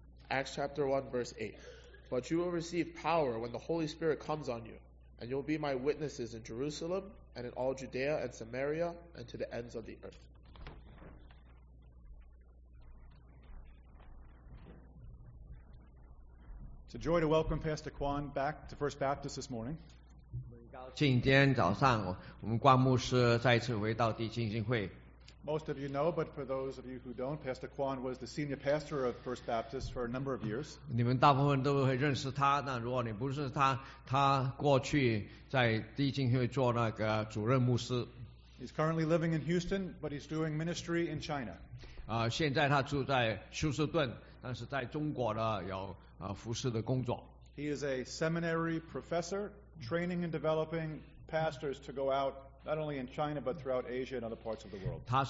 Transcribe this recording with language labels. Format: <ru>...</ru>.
<en>Acts chapter 1, verse 8. But you will receive power when the Holy Spirit comes on you, and you will be my witnesses in Jerusalem and in all Judea and Samaria and to the ends of the earth. It's a joy to welcome Pastor Kwan back to First Baptist this morning.</en> <zh>今天早上，我们冠牧师再次回到地基金会。</zh> <en>Most of you know, but for those of you who don't, Pastor Kwan was the senior pastor of First Baptist for a number of years.</en> <zh>你们大部分都会认识他，那如果你不认识他，他过去在地基金会做那个主任牧师。</zh> <en>He's currently living in Houston, but he's doing ministry in China.</en> <zh>现在他住在休斯顿，但是在中国呢，有服侍的工作。</zh> <en>He is a seminary professor, training and developing pastors to go out not only in China, but throughout Asia and other parts of the world.</en>